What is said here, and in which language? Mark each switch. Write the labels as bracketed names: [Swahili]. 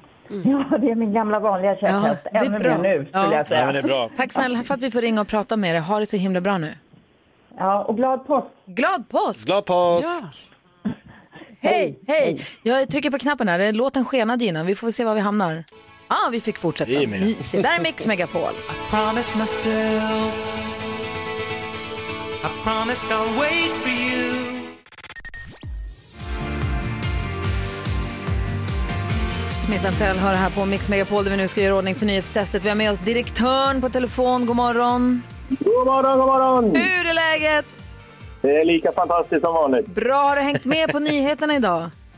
[Swedish] Mm. Ja, det är min gamla vanliga käpphäst. Ja, det är bra. Nu, skulle jag säga. Ja, det är bra. Tack snälla för att vi får ringa och prata med er. Ha det så himla bra nu. Ja, och glad påsk. Glad påsk! Glad påsk! Ja. Hej! Jag trycker på knappen här. Låten skenade innan. Vi får se var vi hamnar. Ja, vi fick fortsätta. Mysigt. Där är Mix Megapol. [English] I promised myself, I promised I'll wait for you. [Swedish] Smith & Tell hör här på Mix Megapol, där vi nu ska göra ordning för nyhetstestet. Vi har med oss direktören på telefon. God morgon. God morgon. Hur är läget? Det är lika fantastiskt som vanligt. Bra, har du hängt med på nyheterna idag?